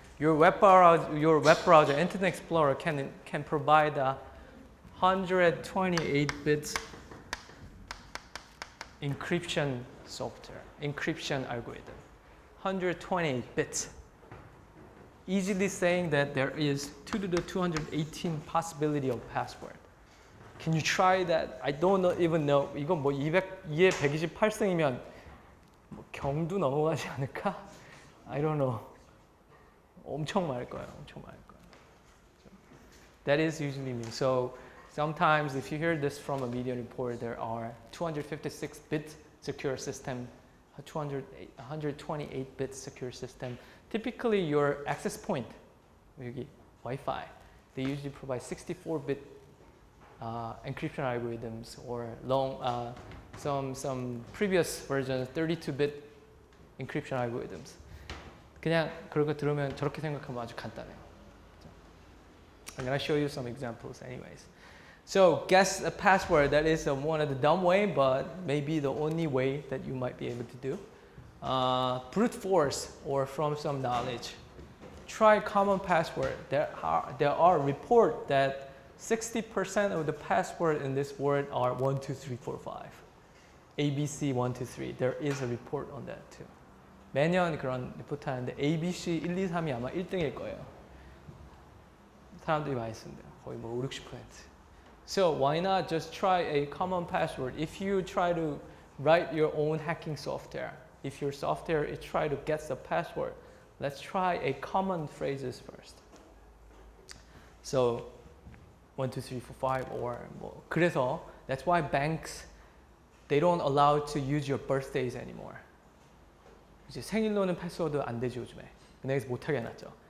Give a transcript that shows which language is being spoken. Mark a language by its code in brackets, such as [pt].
[en] Your web browser, Internet Explorer can provide 128-bit encryption software, encryption algorithm. 128-bit. Easily saying that there is 2 to the 218 possibility of password. Can you try that? I don't know, even know. [ko] 이건 뭐 200, 128승이면 뭐 경도 넘어가지 않을까? [en] I don't know. [ko] 엄청 많을 거예요. 엄청 많을 거예요. [en] That is usually me. So sometimes if you hear this from a media report, there are 256-bit secure system, 128-bit secure system. Typically, your access point, Wi-Fi, they usually provide 64-bit encryption algorithms or long some previous versions, 32-bit encryption algorithms. [ko] 그냥 그렇게 들으면 저렇게 생각하면 아주 간단해요. [en] I'm gonna show you some examples anyways. So guess a password, that is one of the dumb way, but maybe the only way that you might be able to do. Brute force or from some knowledge. Try common password. There are reports that 60% of the password in this world are 12345. ABC 123, there is a report on that too. [ko] 매년 그런 리포트 하는데 ABC 1, 2, 3이 아마 1등일 거예요. 사람들이 많이 쓴대요. 거의 뭐 50-60%. [en] So why not just try a common password? If you try to write your own hacking software, if your software is trying to get the password, let's try a common phrases first. So 12345 or 뭐. [ko] 그래서 [en] that's why banks, they don't allow to use your birthdays anymore. [ko] 이제 생일로는 패스워드 안 되지 요즘에. 은행에서 못하게 해놨죠.